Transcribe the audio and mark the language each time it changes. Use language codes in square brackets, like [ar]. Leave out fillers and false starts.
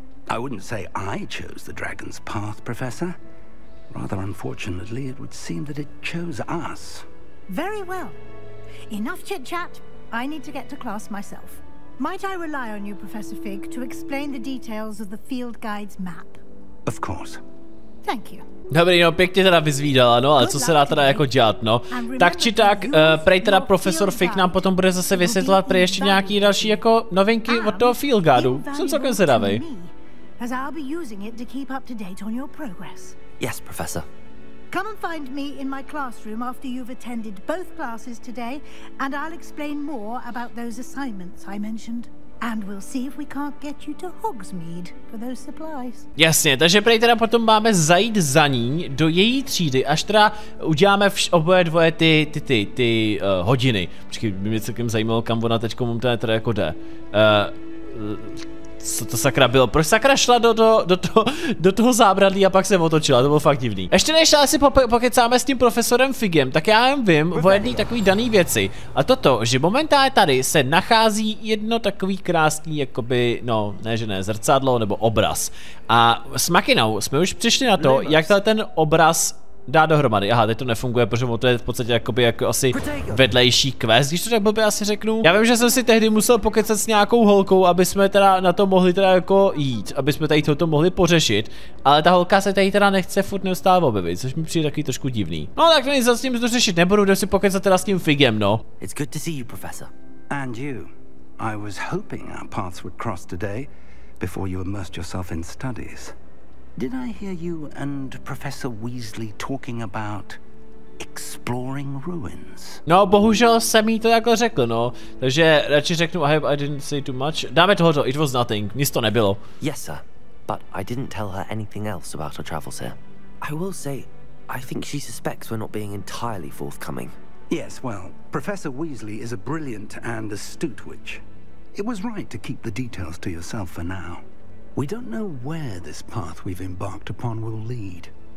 [en] I wouldn't say I chose the dragon's path, Professor. Rather unfortunately, it would seem that it chose us. Very well. Enough chit-chat. I need to get to class myself. Might I rely on you, Professor Fig, to explain the details of the field guide's map? Of course. Thank you. [cs] Dobrý, no, pěkně teda vyzvídala, no, ale co se dá teda jako dělat, no. Tak či tak, prej teda profesor Fick nám potom bude zase vysvětlovat prej ještě nějaký další jako novinky od toho field guidu. Jsem celkem zvědavý. [en] As I'll be using it to keep up to date on your progress. Yes, Professor. Come and find me in my classroom after you've attended both classes today, and I'll explain more about those assignments I mentioned. And we'll see if we can't get you to Hogsmeade for those supplies. [cs] Jasně, takže prej teda potom máme zajít za ní do její třídy, až teda uděláme oboje dvoje ty hodiny. Počkej, by mě celkem zajímalo, kam ona teďko teda jako jde. co to sakra bylo, proč sakra šla do toho zábradlí a pak se otočila, to bylo fakt divný. Ještě než asi pokecáme s tím profesorem Figem, tak já jen vím o jedný takový daný věci. A toto, že momentálně tady se nachází jedno takový krásný, jakoby, no, ne že ne, zrcadlo nebo obraz. A s Makinou jsme už přišli na to, jak ten obraz dá dohromady. Aha, teď to nefunguje, protože to je v podstatě jakoby jako asi vedlejší quest, když to tak blbě asi řeknu. Já vím, že jsem si tehdy musel pokecat s nějakou holkou, aby jsme teda na to mohli teda jako jít, aby jsme tady toto mohli pořešit, ale ta holka se tady teda nechce furt neustále objevit, což mi přijde takový trošku divný. No tak nic, za s tím to řešit nebudu, jdem si pokecat teda s tím Figem, no. [en] It's good to see you, professor. And you. I was hoping our paths would cross today before you immersed yourself in studies. Did I hear you and Professor Weasley talking about exploring ruins? [cs] No, bohužel jsem jí to jako řekl, no. Takže radši řeknu, [en] I didn't say too much. [cs] Dáme tohoto, [en] it was nothing, [cs] nic to nebylo. [en] Yes, sir, but I didn't tell her anything else about her travels here. I will say, I think she suspects we're not being entirely forthcoming. Yes, well, Professor Weasley is a brilliant and astute witch. It was right to keep the details to yourself for now. We don't know where this path we've embarked upon will lead.